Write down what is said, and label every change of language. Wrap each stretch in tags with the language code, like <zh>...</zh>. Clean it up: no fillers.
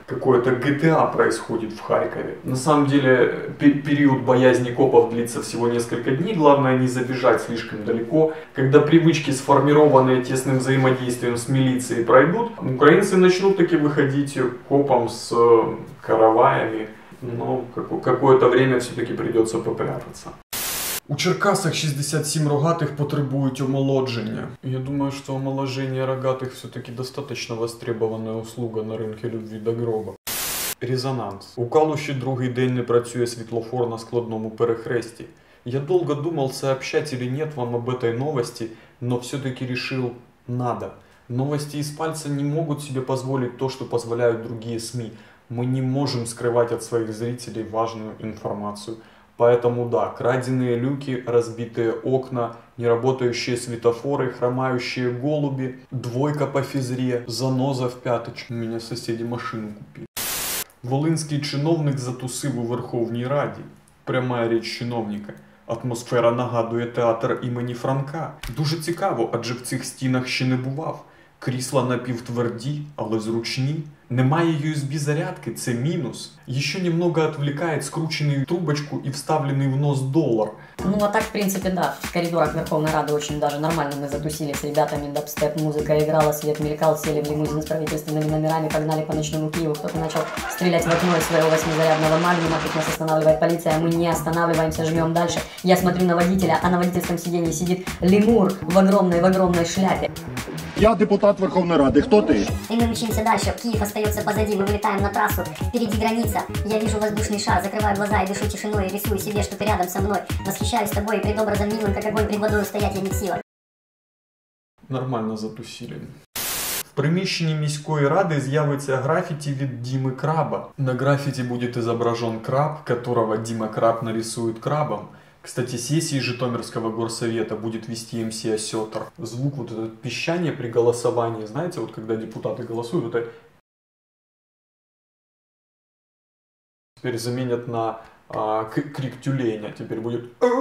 <ru>Какое-то ГТА происходит в Харькове. На самом деле, период боязни копов длится всего несколько дней. Главное не забежать слишком далеко. Когда привычки, сформированные тесным взаимодействием с милицией, пройдут, украинцы начнут таки выходить копам с караваями. Но какое-то время все-таки придется попрятаться.</ru> <uk>У Черкасах 67 рогатых потребуют омолодження.</uk> <ru>Я думаю, что омоложение рогатых все-таки достаточно востребованная услуга на рынке любви до гроба. Резонанс.</ru> <uk>У Калуші другий день не працює світлофор на складному перехресті.</uk> <ru>Я долго думал, сообщать или нет вам об этой новости, но все-таки решил, надо. Новости из пальца не могут себе позволить то, что позволяют другие СМИ. Мы не можем скрывать от своих зрителей важную информацию. Поэтому да, краденые люки, разбитые окна, неработающие светофоры, хромающие голуби, двойка по физре, заноза в пяточку. У меня соседи машину купили. Волынский чиновник затусил у Верховной Рады. Прямая речь чиновника.</ru> <uk>Атмосфера нагадує театр імені Франка. Дуже цікаво, адже в цих стінах ще не бував. Крісла напівтверді, але зручні. Немає USB-зарядки, це мінус. Ще немного відвлікає скручений трубочку і вставлений в нос долар. Ну, а так, в принципі, да. В коридорах Верховної Ради</uk> <ru>очень даже нормально</ru> <uk>ми затусили з ребятами, дабстеп, музика іграла, світ мелькав, сіли в лімузин з правительственними номерами, погнали по ночному Києву, хтось почав стріляти в окно із своєго 8-зарядного магнума, тут нас останавливає поліція, ми не останавливаємося, жмем далі.</uk> <ru>Я смотрю на водителя,</ru> <uk>а на водительському сидінні сидить лемур</uk> <ru>в огромной</ru> <uk>шляпі. Я депутат Верховної Ради, хто ти? І ми мчимося далі, Київ остається позаді, ми вилітаємо на трасу, впереді границя. Я вижу воздушний шар, закриваю глаза і дишу тишиною, рисую себе, що ти рядом зі мною.</uk> <ru>Восхищаюсь тобою, пред образом милим, як огонь під водою стоять, я не в силах. Нормально затусили.</ru> <uk>В приміщенні міської ради з'явиться графіті від Діми Краба. На графіті буде зображен краб, которого Діма Краб нарисує крабом.</uk> <ru>Кстати, сессии Житомирского горсовета будет вести МС Осетр. Звук вот этот пищания при голосовании, знаете, вот когда депутаты голосуют, это... Теперь заменят на крик тюленя. Теперь будет...</ru>